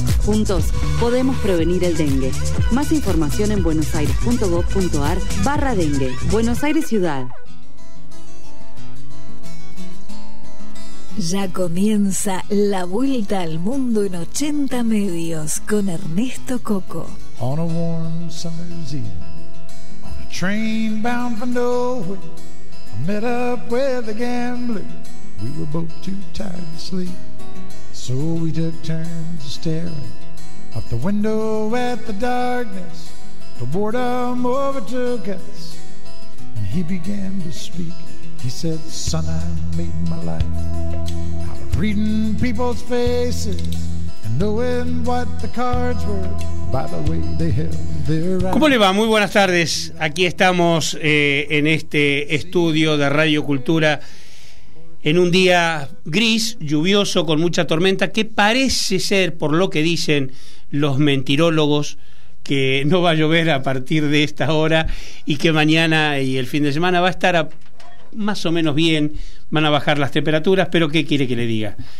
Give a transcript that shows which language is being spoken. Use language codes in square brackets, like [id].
[es] Juntos podemos prevenir el dengue. Más información en buenosaires.gov.ar/dengue. Buenos Aires Ciudad. Ya comienza La Vuelta al Mundo en 80 Medios con Ernesto Coco. [en] On a warm summer's evening, on a train bound for nowhere, met up with a gambler. We were both too tired to sleep, so we took turns staring out the window at the darkness. The boredom overtook us, and he began to speak. He said, "Son, I'm making my life out of reading people's faces and knowing what the cards were by the way they held their eyes." [es] ¿Cómo le va? Muy buenas tardes. Aquí estamos en este estudio de Radio Cultura en un día gris, lluvioso, con mucha tormenta, que parece ser, por lo que dicen los mentirólogos, que no va a llover a partir de esta hora y que mañana y el fin de semana va a estar más o menos bien, van a bajar las temperaturas, pero ¿qué quiere que le diga?